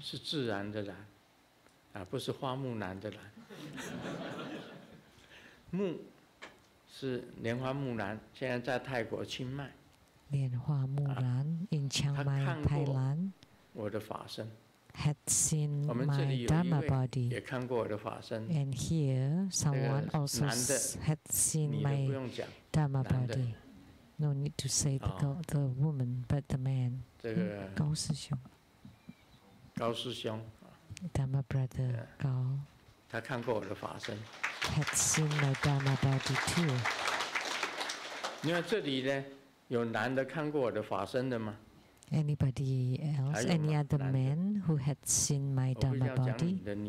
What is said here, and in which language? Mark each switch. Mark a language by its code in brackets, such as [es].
[zh] 是自然的男, 啊, 不是花木兰的兰, 木, 是莲花木兰, 现在在泰国清迈, 莲花木兰, 啊, [en] in Chiang Mai, Thailand, [zh] 我的法身, [en] had seen my Dharma body, and here someone also had seen my Dharma body. No need to say the girl, the woman, but the man. Gao Sishiong. Gao Sishiong. Dharma brother Gao. He had seen my Dharma body too. [zh] 你看这里呢, 有男的看过我的法身的吗? [en] Anybody else? Any other men who had seen my Dharma body?